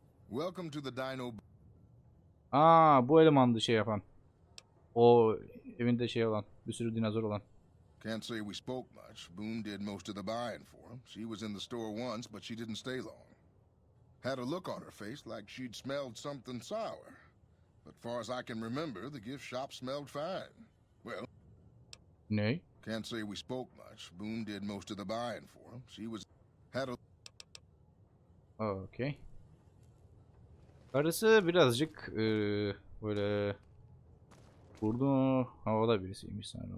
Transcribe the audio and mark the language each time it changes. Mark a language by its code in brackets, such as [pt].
[en] Welcome to the Dino. [tr] Aa, bu elemandı şey yapan. O evinde şey olan, bir sürü dinozor olan. [en] Can't say we spoke much. Boone did most of the buying for him. She was in the store once, but she didn't stay long. Had a look on her face like she'd smelled something sour. But far as I can remember, the gift shop smelled fine. Well. Nay. Can't say we spoke much. Boone did most of the buying for him. She was had a. Okay. [tr] Karısı birazcık böyle vurdu havada birisiymiş sanırım.